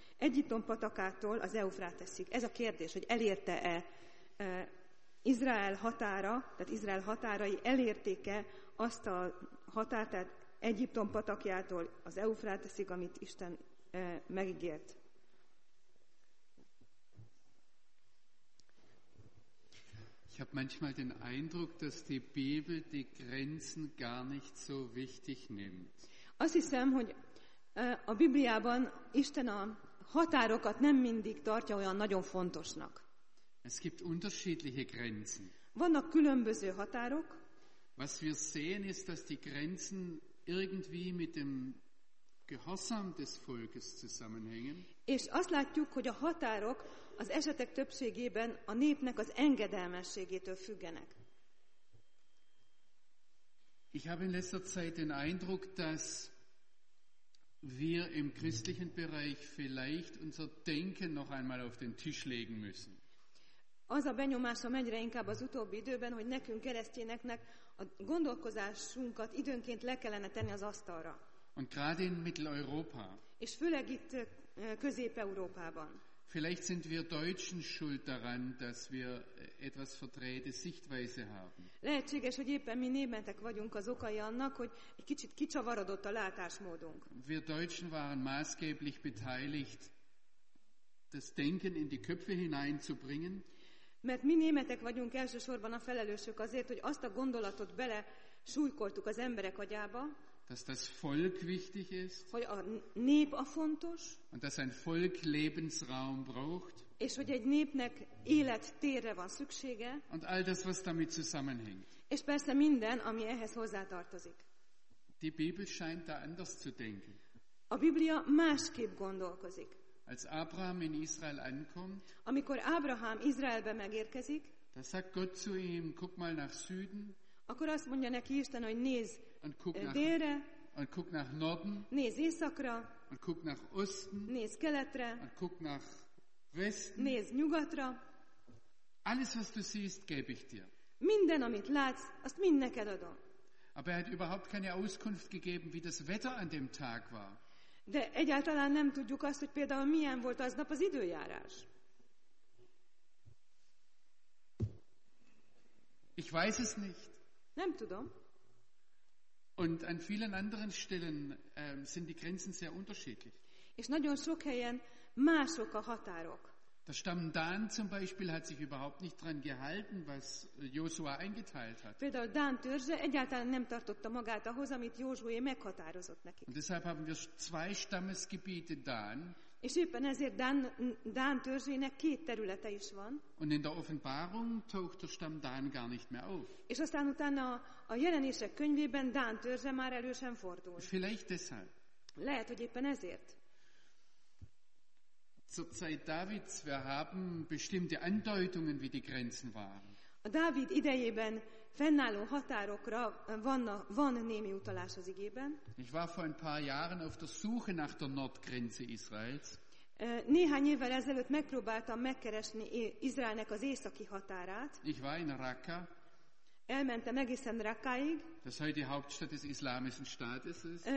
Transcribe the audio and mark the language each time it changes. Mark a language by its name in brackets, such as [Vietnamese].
[Hungarian] Egyiptom patakától az Eufráteszig. Ez a kérdés, hogy elérte-e Izrael határa, tehát Izrael határai elérték-e azt a határt, tehát Egyiptom patakjától az Eufráteszig, amit Isten megígért. [German] Ich habe manchmal den Eindruck, dass die Bibel die Grenzen gar nicht so wichtig nimmt. [Hungarian] Azt hiszem, hogy a Bibliában Isten a határokat nem mindig tartja olyan nagyon fontosnak. [German] Es gibt unterschiedliche Grenzen. [Hungarian] Vannak különböző határok. [German] Was wir sehen ist, dass die Grenzen irgendwie mit dem Gehorsam des Volkes zusammenhängen. [Hungarian] És azt látjuk, hogy a határok az esetek többségében a népnek az engedelmességétől függenek. [German] Ich habe in letzter Zeit den Eindruck, dass wir im christlichen Bereich vielleicht unser Denken noch einmal auf den Tisch legen müssen. [Hungarian] Az a benyomásom egyre inkább az utóbbi időben, hogy nekünk keresztényeknek a gondolkozásunkat időnként le kellene tenni az asztalra. [German] Und gerade in Mitteleuropa. [Hungarian] És főleg itt Közép-Európában. [German] Vielleicht sind wir Deutschen schuld daran, dass wir etwas verdrehte Sichtweise haben. [Hungarian] Lehetséges, hogy éppen mi németek vagyunk az okai annak, hogy egy kicsit kicsavarodott a látásmódunk. [German] Wir Deutschen waren maßgeblich beteiligt, das Denken in die Köpfe hineinzubringen. [Hungarian] Mert mi németek vagyunk elsősorban a felelősök azért, hogy azt a gondolatot bele súlykoltuk az emberek agyába, [German] dass das Volk wichtig ist, [Hungarian] hogy a nép a fontos, [German] und dass ein Volk Lebensraum braucht, [Hungarian] és hogy egy népnek élettérre van szüksége, [German] und all das, was damit zusammenhängt. [Hungarian] És persze minden, ami ehhez hozzátartozik. [German] Die Bibel scheint da anders zu denken. [Hungarian] A Biblia másképp gondolkozik. [German] Als Abraham in Israel ankommt, [Hungarian] amikor Abraham Izraelbe megérkezik, [German] da sagt Gott zu ihm, guck mal nach Süden, [Hungarian] akkor azt mondja neki Isten, hogy néz [German] und guck nach, [Hungarian] délre, [German] und guck nach Norden, [Hungarian] néz északra, [German] und guck nach Osten, [Hungarian] néz keletre, [German] und guck nach Westen, [Hungarian] néz nyugatra. [German] Alles, was du siehst, gebe ich dir. [Hungarian] Minden, amit látsz, azt mind neked adom. [German] Aber er hat überhaupt keine Auskunft gegeben, wie das Wetter an dem Tag war. [Hungarian] De egyáltalán nem tudjuk azt, hogy például milyen volt aznap az időjárás. [German] Ich weiß es nicht. [Hungarian] Nem tudom. [German] Und an vielen anderen Stellen sind die Grenzen sehr unterschiedlich. [Hungarian] És nagyon sok helyen mások a határok. [German] Der Stamm Dan zum Beispiel hat sich überhaupt nicht dran gehalten, was Josua eingeteilt hat. [Hungarian] Például Dan törzse egyáltalán nem tartotta magát ahhoz, amit Józsué meghatározott nekik. [German] Und deshalb haben wir zwei Stammesgebiete Dan. [Hungarian] És éppen ezért Dan törzsének két területe is van. [German] Und in der Offenbarung taucht der Stamm Dan gar nicht mehr auf. [Hungarian] És aztán utána a Jelenések könyvében Dan törzse már elő sem fordul. [German] Vielleicht deshalb. [Hungarian] Lehet, hogy éppen ezért. [German] Zur Zeit Davids, wir haben bestimmte Andeutungen, wie die Grenzen waren. [Hungarian] A Dávid idejében fennálló határokra van némi utalás az igében. [German] Ich war vor ein paar Jahren auf der Suche nach der Nordgrenze Israels. [Hungarian] Néhány évvel ezelőtt megpróbáltam megkeresni Izraelnek az északi határát. [German] Ich war in Raqqa. [Hungarian] Elmentem egészen Raqqáig. [German] Das heute die Hauptstadt des islamischen Staates ist.